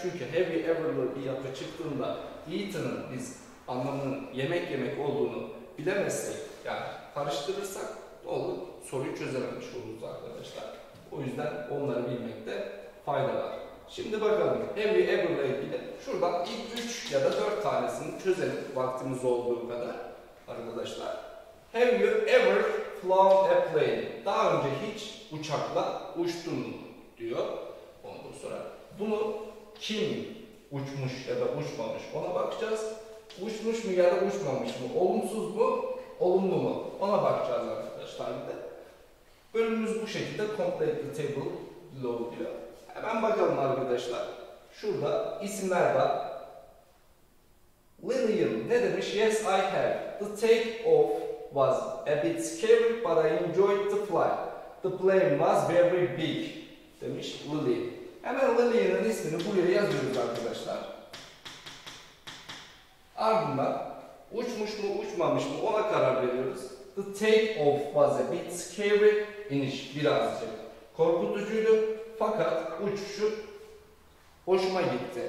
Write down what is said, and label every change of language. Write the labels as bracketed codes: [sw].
[tr] Çünkü have you ever'lı bir yapı çıktığında eaten'ın biz anlamının yemek yemek olduğunu bilemezsek, yani karıştırırsak ne olur? Soruyu çözememiş oluruz arkadaşlar. O yüzden onları bilmekte fayda var. Şimdi bakalım have you ever ile ilgili şuradan ilk 3 ya da 4 tanesini çözelim vaktimiz olduğu kadar arkadaşlar. [en] Have you ever flown a plane? [tr] Daha önce hiç uçakla uçtun mu diyor. Ondan sonra bunu kim uçmuş ya da uçmamış ona bakacağız. Uçmuş mu ya da uçmamış mı? Olumsuz mu? Olumlu mu? Ona bakacağız arkadaşlar bir de. Bölümümüz bu şekilde [en] complete the table below [tr] diyor. Hemen bakalım arkadaşlar. Şurada isimler var. Lillian ne demiş? [en] Yes I have. The take off was a bit scary but I enjoyed the flight. The plane was very big [tr] demiş [en] Lillian. [tr] Hemen Lillian'ın ismini buraya yazıyoruz arkadaşlar. Ardından uçmuş mu uçmamış mı ona karar veriyoruz. [en] The take off was a bit scary, [tr] iniş birazcık korkutucuydu fakat uçuşu hoşuma gitti.